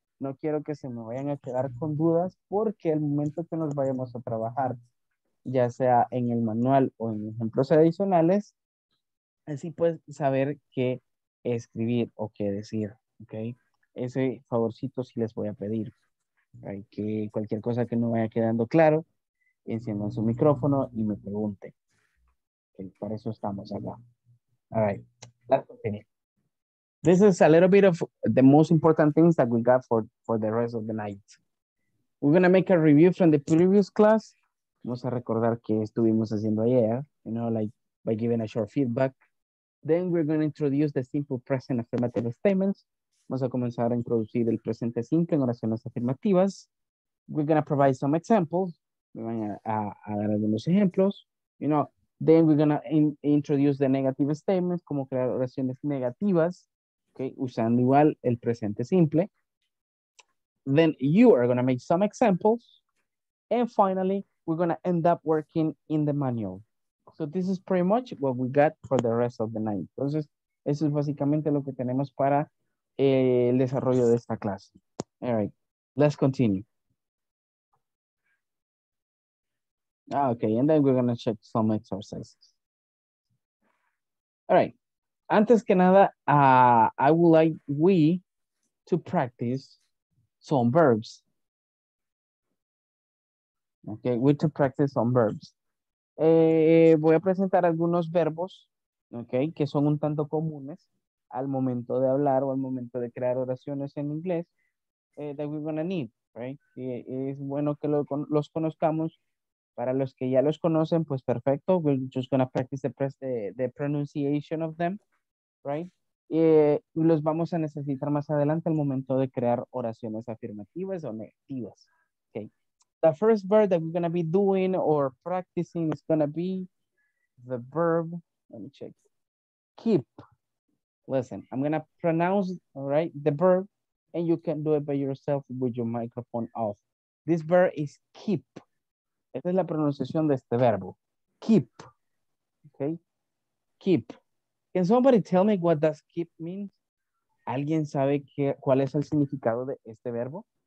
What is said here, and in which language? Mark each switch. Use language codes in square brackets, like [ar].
[es] No quiero que se me vayan a quedar con dudas porque el momento que nos vayamos a trabajar, ya sea en el manual o en ejemplos adicionales, así puedes saber qué escribir o qué decir, ¿ok? Ese favorcito sí les voy a pedir, ¿okay? Que cualquier cosa que no vaya quedando claro, enciendan su micrófono y me pregunten, ¿okay? Para eso estamos acá. [en] All right, let's continue. This is a little bit of the most important things that we got for the rest of the night. We're going to make a review from the previous class. [es] Vamos a recordar que estuvimos haciendo ayer, [en] you know, like by giving a short feedback. Then we're going to introduce the simple present affirmative statements. [es] Vamos a comenzar a introducir el presente simple en oraciones afirmativas. [en] We're going to provide some examples. [es] Me van a dar algunos ejemplos. [en] You know, then we're going to introduce the negative statements, [es] cómo crear oraciones negativas. Okay, usando igual el presente simple. [en] Then you are going to make some examples. And finally, we're going to end up working in the manual. So this is pretty much what we got for the rest of the night. [es] Entonces, eso es básicamente lo que tenemos para el desarrollo de esta clase. [en] All right, let's continue. Okay, and then we're going to check some exercises. All right. [es] Antes que nada, [en] I would like we to practice some verbs. [es] Okay, [en] we to practice some verbs. [es] Voy a presentar algunos verbos, okay, que son un tanto comunes al momento de hablar o al momento de crear oraciones en inglés [en] that we're going to need, right? [es] Es bueno que los conozcamos. Para los que ya los conocen, pues perfecto. [en] We're just going to practice the pronunciation of them. Right? [es] Y los vamos a necesitar más adelante al momento de crear oraciones afirmativas o negativas. [en] Okay. The first verb that we're going to be doing or practicing is going to be the verb, let me check, keep. Listen, I'm going to pronounce, all right, the verb, and you can do it by yourself with your microphone off. This verb is keep. [es] Esta es la pronunciación de este verbo. [en] Keep. Okay. Keep. Can somebody tell me what does keep means? [es] ¿Alguien sabe cuál es el significado de este verbo?